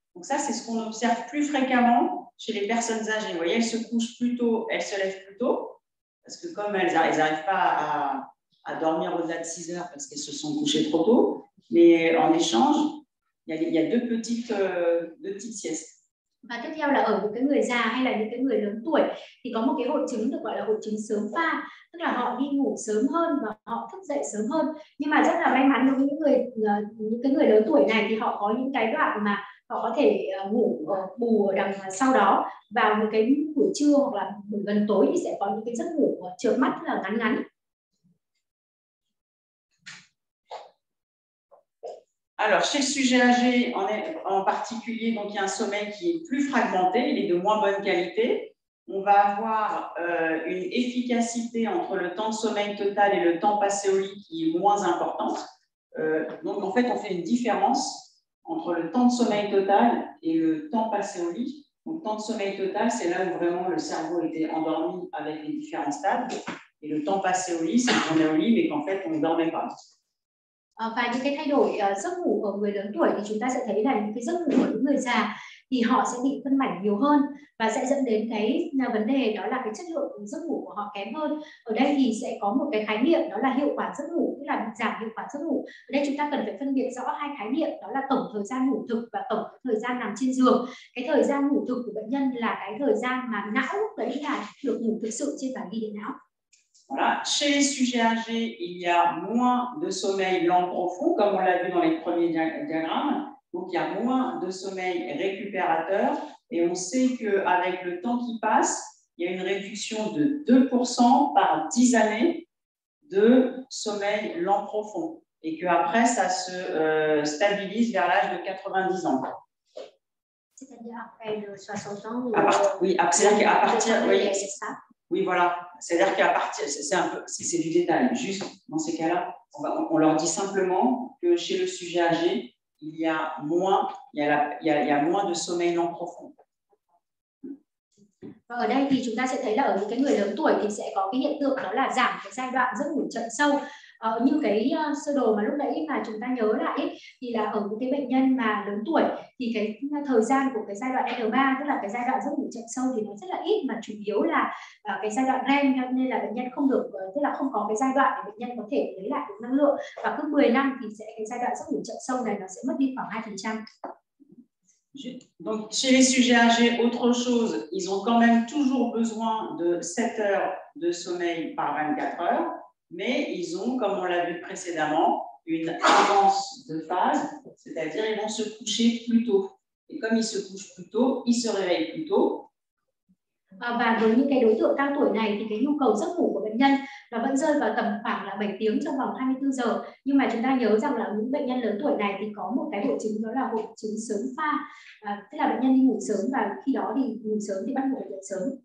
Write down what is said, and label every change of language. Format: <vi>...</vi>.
<fr>Donc ça, c'est ce qu'on observe plus fréquemment chez les personnes âgées. Vous voyez, elles se couchent plus tôt, elles se lèvent plus tôt, parce que comme elles n'arrivent pas à dormir au-delà de 6 heures parce qu'elles se sont couchées trop tôt, mais en échange, il y a deux petites siestes.</fr> <vi>Và tiếp theo là ở những cái người già hay là những cái người lớn tuổi thì có một cái hội chứng được gọi là hội chứng sớm pha, tức là họ đi ngủ sớm hơn và họ thức dậy sớm hơn. Nhưng mà rất là may mắn đối với những cái người lớn tuổi này thì họ có những cái đoạn mà họ có thể ngủ bù đằng sau đó, vào một cái buổi trưa hoặc là buổi gần tối thì sẽ có những cái giấc ngủ chợp mắt là ngắn.</vi> <fr>Alors, chez le sujet âgé, en particulier, donc, il y a un sommeil qui est plus fragmenté, il est de moins bonne qualité. On va avoir une efficacité entre le temps de sommeil total et le temps passé au lit qui est moins importante. Donc, en fait, on fait une différence entre le temps de sommeil total et le temps passé au lit. Donc, temps de sommeil total, c'est là où vraiment le cerveau était endormi avec les différents stades. Et le temps passé au lit, c'est qu'on est au lit, mais qu'en fait, on ne dormait pas.</fr> <vi>Và những cái thay đổi giấc ngủ ở người lớn tuổi thì chúng ta sẽ thấy là những cái giấc ngủ của những người già thì họ sẽ bị phân mảnh nhiều hơn và sẽ dẫn đến cái vấn đề đó là cái chất lượng giấc ngủ của họ kém hơn. Ở đây thì sẽ có một cái khái niệm đó là hiệu quả giấc ngủ, tức là giảm hiệu quả giấc ngủ. Ở đây chúng ta cần phải phân biệt rõ hai khái niệm, đó là tổng thời gian ngủ thực và tổng thời gian nằm trên giường. Cái thời gian ngủ thực của bệnh nhân là cái thời gian mà não đấy là được ngủ thực sự trên bản ghi điện não.</vi> <fr>Voilà. Chez les sujets âgés, il y a moins de sommeil lent profond, comme on l'a vu dans les premiers diagrammes. Donc, il y a moins de sommeil récupérateur. Et on sait qu'avec le temps qui passe, il y a une réduction de 2% par 10 années de sommeil lent profond. Et qu'après, ça se stabilise vers l'âge de 90 ans. C'est-à-dire après 60 ans ou... à partir... Oui, c'est ça. Oui, voilà. C'est-à-dire qu'à partir, c'est du détail. Juste dans ces cas-là, on leur dit simplement que chez le sujet âgé, il y a moins de sommeil non profond.</fr> <vi>Và ở đây thì chúng ta sẽ thấy là ở những cái người lớn tuổi thì sẽ có cái hiện tượng đó là giảm cái giai đoạn giấc ngủ chậm sâu. Như cái sơ đồ mà lúc nãy mà chúng ta nhớ lại ấy, thì là ở những cái bệnh nhân mà lớn tuổi thì cái thời gian của cái giai đoạn L3, tức là cái giai đoạn giấc ngủ chậm sâu thì nó rất là ít, mà chủ yếu là cái giai đoạn REM, nên là bệnh nhân không được, tức là không có cái giai đoạn để bệnh nhân có thể lấy lại được năng lượng, và cứ 10 năm thì sẽ cái giai đoạn giấc ngủ chậm sâu này nó sẽ mất đi khoảng 2%.</vi> <fr>Donc chez les sujets âgés, autre chose, ils ont quand même toujours besoin de 7 heures de sommeil par 24 heures, mais ils ont, comme on l'a vu précédemment, une avance de phase, c'est-à-dire ils vont se coucher plus tôt. Et comme ils se couchent plus tôt, ils se réveillent plus tôt.</fr> <vi>Và với những cái đối tượng cao tuổi này thì cái nhu cầu giấc ngủ của bệnh nhân nó vẫn rơi vào tầm khoảng là 7 tiếng trong vòng 24 giờ. Nhưng mà chúng ta nhớ rằng là những bệnh nhân lớn tuổi này thì có một cái hội chứng, đó là hội chứng sớm pha. Tức là bệnh nhân đi ngủ sớm và khi đó thì ngủ sớm thì bắt buộc phải dậy sớm.</vi>